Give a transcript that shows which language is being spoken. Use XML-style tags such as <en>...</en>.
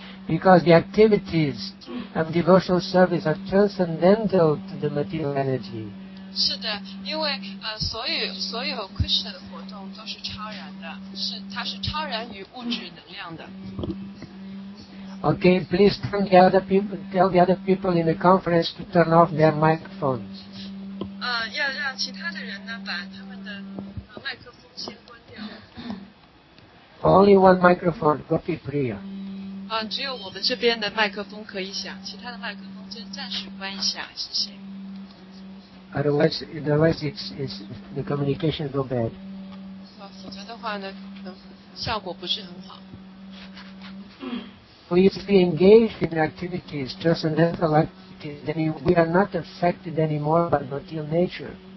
<en>Because the activities of devotional service are transcendental to the material energy.</en> <zh>是的，因为所有 Krishna 的活动都是超然的，是它是超然于物质能量的。</zh> <en>Okay, please tell the other people in the conference to turn off their microphones.</en> <zh>要让其他的人呢把他们的麦克风先关掉。</zh> <en>Only one microphone, Gopi Priya.</en> <zh>只有我们这边的麦克风可以响，其他的麦克风就暂时关一下，谢谢。</zh> <en>Otherwise, it's the communication go bad.</en> <zh>否则的话呢，效果不是很好。</zh> <en>We used to be engaged in activities, transcendental activities, then we are not affected anymore by material nature.</en>